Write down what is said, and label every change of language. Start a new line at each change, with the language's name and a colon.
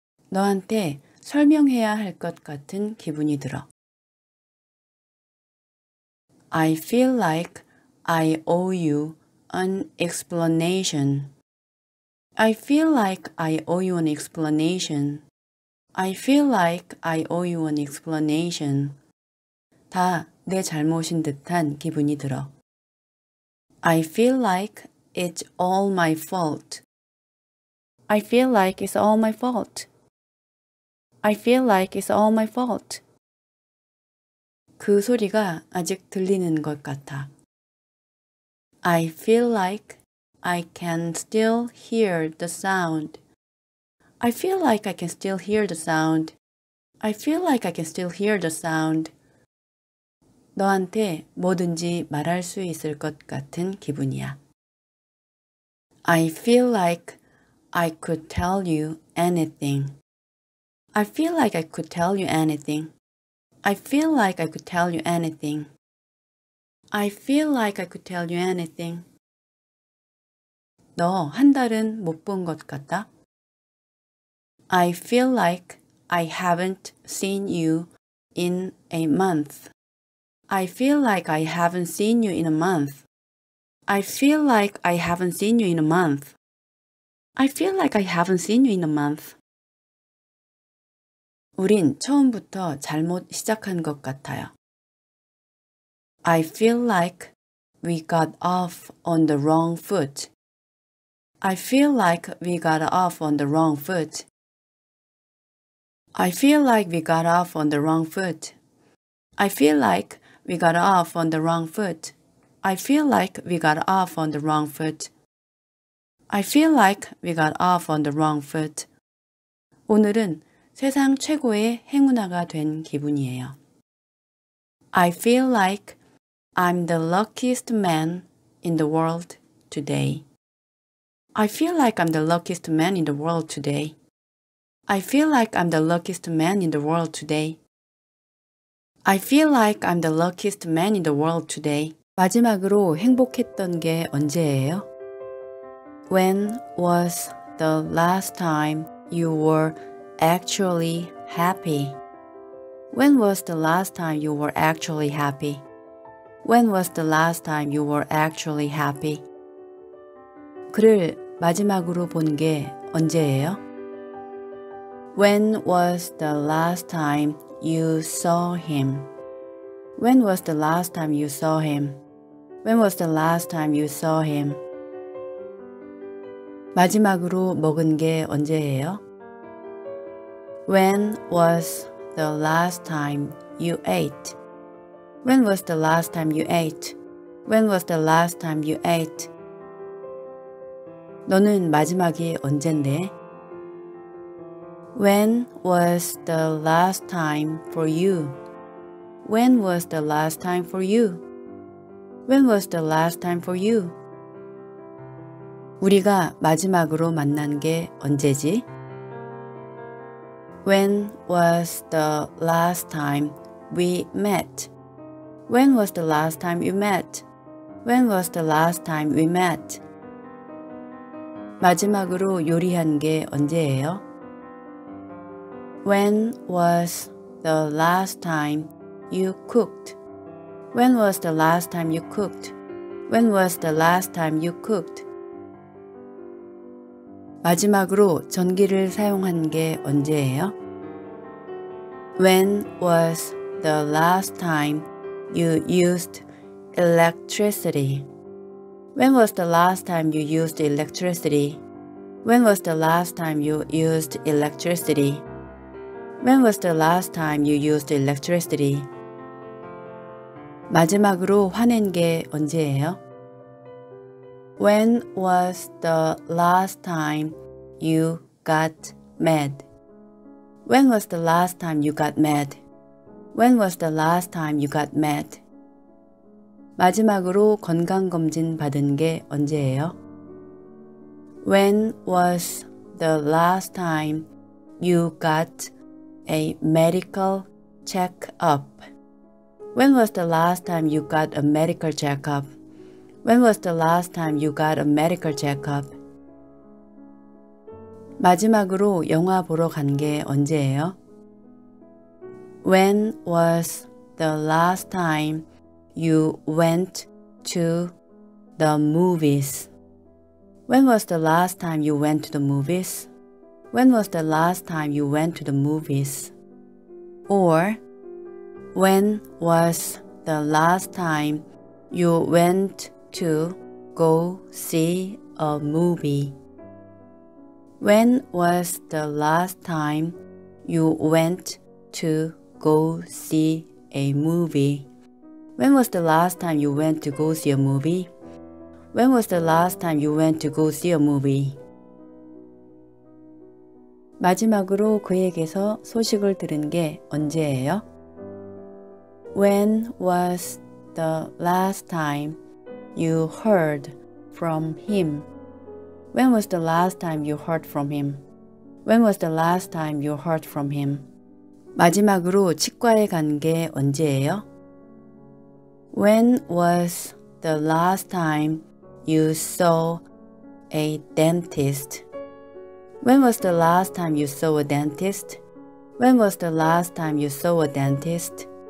Korean: 너한테 설명해야 할 것 같은 기분이 들어.
English: I feel like I owe you an explanation. I feel like I owe you an explanation. I feel like I owe you an explanation.
Korean: 다 내 잘못인 듯한 기분이 들어.
English: I feel like it's all my fault. I feel like it's all my fault. I feel like it's all my fault.
Korean: 그 소리가 아직 들리는 것 같아.
English: I feel like I can still hear the sound. I feel like I can still hear the sound. I feel like I can still hear the sound.
Korean: 너한테 뭐든지 말할 수 있을 것 같은 기분이야.
English: I feel like I could tell you anything. I feel like I could tell you anything. I feel like I could tell you anything. I feel like I could tell you anything.
Korean: 너 한 달은 못 본 것 같다.
English: I feel like I haven't seen you in a month. I feel like I haven't seen you in a month. I feel like I haven't seen you in a month. I feel like I haven't seen you in a month.
Korean: 우린 처음부터 잘못 시작한 것 같아요.
English: I feel like we got off on the wrong foot. I feel like we got off on the wrong foot. I feel like we got off on the wrong foot. I feel like we got off on the wrong foot. I feel like we got off on the wrong foot. I feel like we got off on the wrong foot.
Korean: 오늘은 세상 최고의 행운아가 된 기분이에요.
English: I feel like I'm the luckiest man in the world today. I feel like I'm the luckiest man in the world today. I feel like I'm the luckiest man in the world today. I feel like I'm the luckiest man in the world today.
Korean: 마지막으로 행복했던 게 언제예요?
English: When was the last time you were actually happy? When was the last time you were actually happy? When was the last time you were actually happy?
Korean: 글을 마지막으로 본 게 언제예요?
English: When was the last time you saw him? When was the last time you saw him? When was the last time you saw him?
Korean: 마지막으로 먹은 게 언제예요?
English: When was the last time you ate? When was the last time you ate? When was the last time you ate?
Korean: 너는 마지막이 언젠데?
English: When was the last time for you? When was the last time for you? When was the last time for you?
Korean: 우리가 마지막으로 만난 게 언제지?
English: When was the last time we met? When was the last time you met? When was the last time we met?
Korean: 마지막으로 요리한 게 언제예요?
English: When was the last time you cooked? When was the last time you cooked? When was the last time you cooked?
Korean: 마지막으로 전기를 사용한 게 언제예요?
English: When was the last time you used electricity? When was the last time you used electricity? When was the last time you used electricity? When was the last time you used electricity?
Korean: 마지막으로 화낸 게 언제예요?
English: When was the last time you got mad? When was the last time you got mad? When was the last time you got mad?
Korean: 마지막으로 건강검진 받은 게 언제예요?
English: When was the last time you got a medical check-up? When was the last time you got a medical check-up? When was the last time you got a medical check-up?
Korean: 마지막으로 영화 보러 간 게 언제예요?
English: When was the last time you went to the movies? When was the last time you went to the movies? When was the last time you went to the movies? Or, when was the last time you went to go see a movie? When was the last time you went to go see a movie? When was the last time you went to go see a movie? When was the last time you went to go see a movie?
Korean: 마지막으로 그에게서 소식을 들은 게 언제예요?
English: When was the last time you heard from him? When was the last time you heard from him? When was the last time you heard from him?
Korean: 마지막으로 치과에 간 게 언제예요?
English: When was the last time you saw a dentist? When was the last time you saw a dentist? When was the last time you saw a dentist?